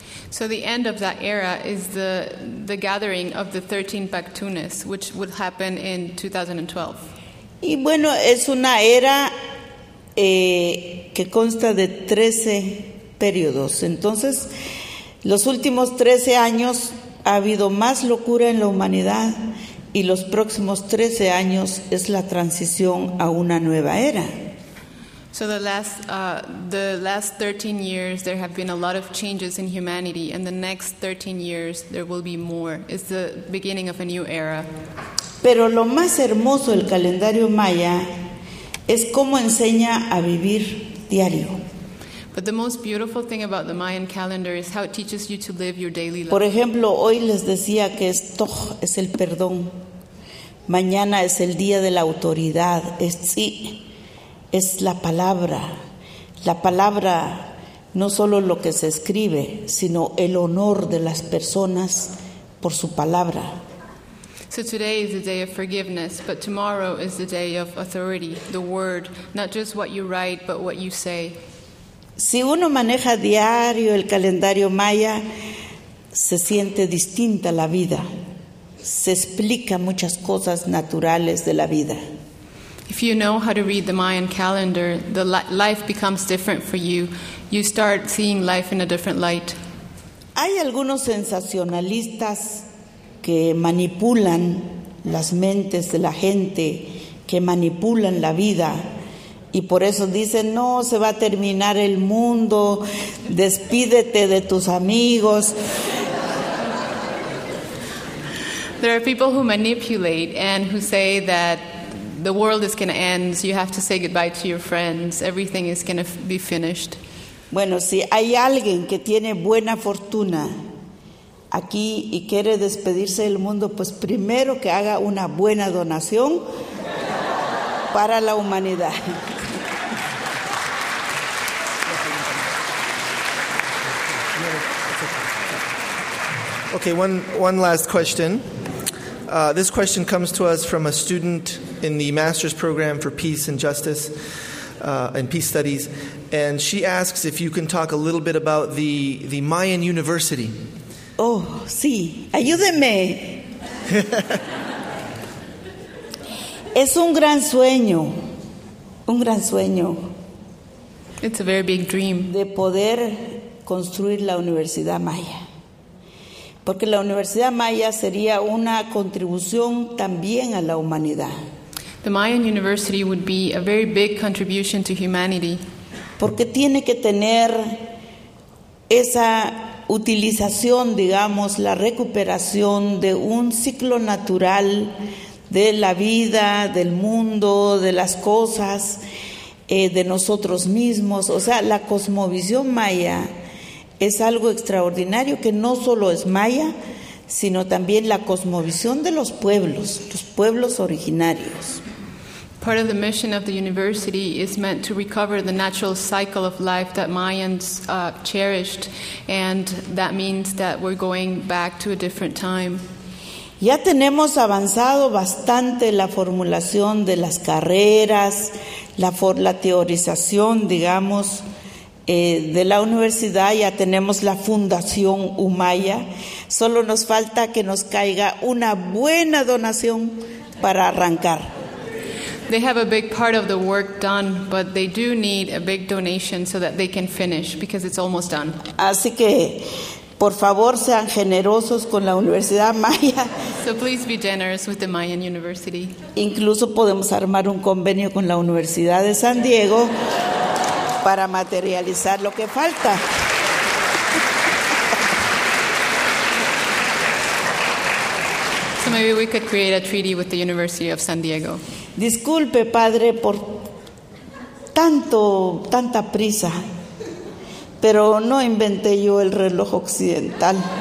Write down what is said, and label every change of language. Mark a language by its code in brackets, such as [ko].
[en] So the end of that era is the gathering of the 13 Pactunes, which would happen in 2012. [es] Y bueno, es una era que consta de 13 periodos. Entonces, los últimos 13 años ha habido más locura en la humanidad y los próximos 13 años es la transición a una nueva era. [en] So the last 13 years there have been a lot of changes in humanity, and the next 13 years there will be more. It's the beginning of a new era. [es] Pero lo más hermoso del calendario maya es cómo enseña a vivir diario. [en] But the most beautiful thing about the Mayan calendar is how it teaches you to live your daily life. [es] Por ejemplo, hoy les decía que es Toj, es el perdón. Mañana es el día de la autoridad. Es Tzi, es la palabra. La palabra, no solo lo que se escribe, sino el honor de las personas por su palabra. [en] So today is the day of forgiveness, but tomorrow is the day of authority, the word, not just what you write, but what you say. [es] Si uno maneja diario el calendario maya, se siente distinta la vida. Se explica muchas cosas naturales de la vida. [en] If you know how to read the Mayan calendar, the life becomes different for you. You start seeing life in a different light. [es] Hay algunos sensacionalistas que manipulan las mentes de la gente, que manipulan la vida, y por eso dicen, no, se va a terminar el mundo, despídete de tus amigos. [en] There are people who manipulate and who say that the world is going to end, so you have to say goodbye to your friends, everything is going to be finished. [es] Bueno, si hay alguien que tiene buena fortuna aquí y quiere despedirse del mundo, pues primero que haga una buena donación para la humanidad. [en] Okay, one last question. This question comes to us from a student in the master's program for peace and justice and peace studies, and she asks if you can talk a little bit about the Mayan University. [es] Oh, sí. Ayúdenme. Es un gran sueño. Un gran sueño. [en] It's a very big dream. [es] De poder construir la Universidad Maya. Porque la Universidad Maya sería una contribución también a la humanidad. [en] The Mayan University would be a very big contribution to humanity. [es] Porque tiene que tener esa utilización, digamos, la recuperación de un ciclo natural de la vida, del mundo, de las cosas, de nosotros mismos. O sea, la cosmovisión maya es algo extraordinario que no solo es maya, sino también la cosmovisión de los pueblos originarios. [en] Part of the mission of the university is meant to recover the natural cycle of life that Mayans cherished, and that means that we're going back to a different time. [es] Ya tenemos avanzado bastante la formulación de las carreras, la teorización, digamos, de la universidad. Ya tenemos la Fundación Umaya. Solo nos falta que nos caiga una buena donación para arrancar. [en] They have a big part of the work done, but they do need a big donation so that they can finish, because it's almost done. [es] Así que, por favor, sean generosos con la Universidad Maya. [en] So please be generous with the Mayan University. [es] Incluso podemos armar un convenio con la Universidad de San Diego para materializar lo que falta. [en] So maybe we could create a treaty with the University of San Diego. [es] Disculpe, padre, por tanta prisa, pero no inventé yo el reloj occidental.